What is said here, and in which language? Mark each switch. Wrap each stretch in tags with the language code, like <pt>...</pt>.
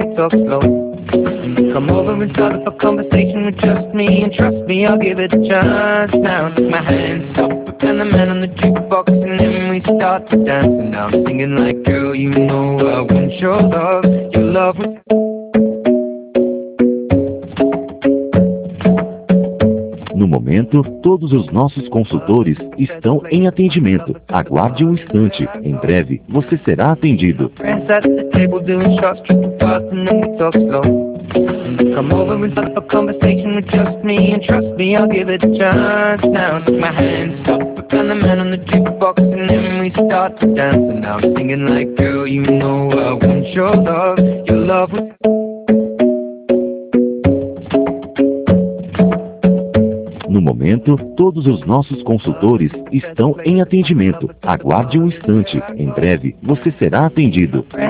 <en>Come over and start up a conversation with just me, and trust me, I'll give it a chance. Now my hands up, and the man on the jukebox, and then we start to dance. And I'm singing like, girl, you know I want your love was...</en> <pt>No momento, todos os nossos consultores estão em atendimento. Aguarde um instante. Em breve, você será atendido.</pt> <en>Come over and start up a conversation with just me, and trust me, I'll give it a chance. Now my hands up, and the man on the jukebox, and then we start to dance. And I'm singing like, girl, you know I want your love was...</en> <pt>No momento, todos os nossos consultores estão em atendimento. Aguarde um instante. Em breve, você será atendido.</pt>